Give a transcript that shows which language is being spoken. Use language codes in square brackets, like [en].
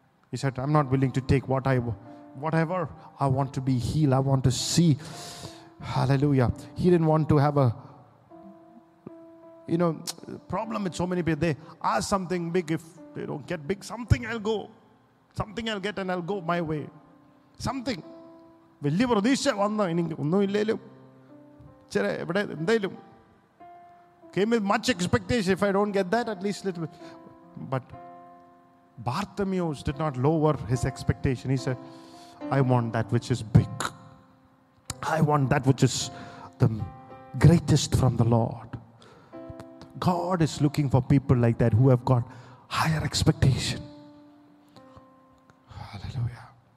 [en] He said, I'm not willing to take whatever. I want to be healed. I want to see. Hallelujah. He didn't want to have a, you know, problem with so many people. They ask something big. If they don't get big, something I'll go. Something I'll get and I'll go my way. Something. [ml] വലിയ പ്രതീക്ഷ വന്ന ഇനി ഒന്നും ഇല്ലേലും ചില ഇവിടെ എന്തേലും [en] came with much expectation. If I don't get that, at least little bit. But Bartimaeus did not lower his expectation. He said, I want that which is big. I want that which is the greatest from the Lord. God is looking for people like that who have got higher expectation. Hallelujah.